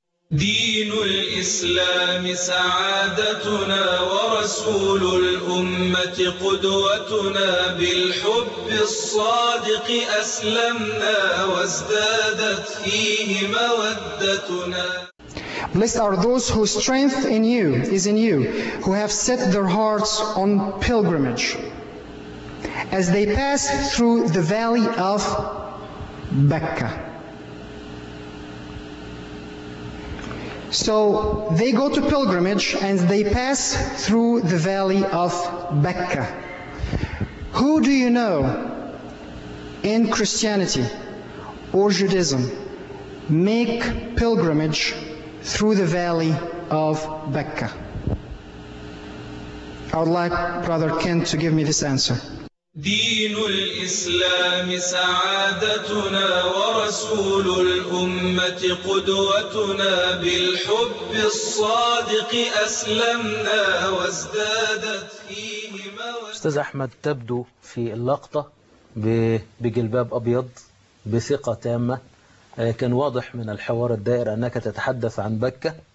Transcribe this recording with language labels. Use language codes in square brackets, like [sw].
[ar] دين الإسلام سعادتنا ورسول الأمة قدوتنا، بالحب الصادق أسلمنا وازدادت فيه مودتنا. [en] Blessed are those whose strength in you is in you, who have set their hearts on pilgrimage. As they pass through the valley of Bekka. So they go to pilgrimage and they pass through the valley of Bekka. Who do you know in Christianity or Judaism make pilgrimage through the valley of Bekka? I would like Brother Kent to give me this answer. [ar] دين الإسلام سعادتنا ورسول الأمة قدوتنا، بالحب الصادق أسلمنا وازدادت فيه. أستاذ أحمد تبدو في اللقطة بجلباب أبيض بثقة تامة، كان واضح من الحوار الدائر أنك تتحدث عن بكة.